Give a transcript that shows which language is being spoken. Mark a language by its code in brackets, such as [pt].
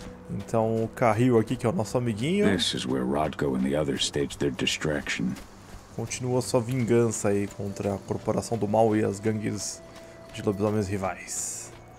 [pt] Então, o Carril aqui, que é o nosso amiguinho. [en] This is where Rodko and the others stage their distraction. [pt] Continua sua vingança aí contra a corporação do mal e as gangues de lobisomens rivais.